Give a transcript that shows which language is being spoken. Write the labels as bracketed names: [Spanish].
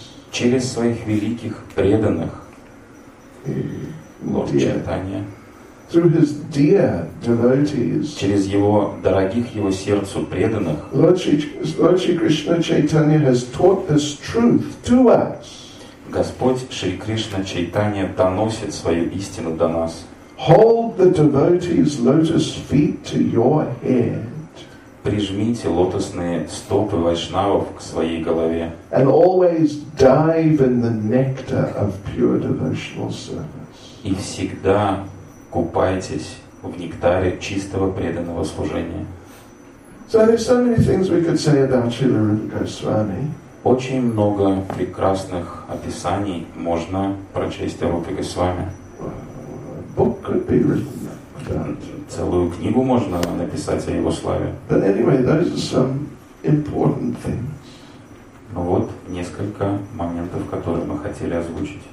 [Russian] Через своих великих преданных, Лорд Чайтанья, [English] through his dear devotees, [Russian] через его дорогих его сердцу преданных, [English] Lord Shri Krishna Chaitanya has taught this truth to us. [Russian] Господь Шри Кришна Чайтанья доносит свою истину до нас. [English] Hold the devotees' lotus feet to your head. [Russian] прижмите лотосные стопы вайшнавов к своей голове. [English] And always dive in the nectar of pure devotional service. [Russian] И всегда купайтесь в нектаре чистого преданного служения. [English] So there's so many things we could say about Srila Rupa Goswami. [Russian] Очень много прекрасных описаний можно прочесть о Рупе Госвами. [English] Book could be written about. [Russian] Целую книгу можно написать о его славе. [English] But anyway, those are some important things. [Russian] Ну вот несколько моментов, которые мы хотели озвучить.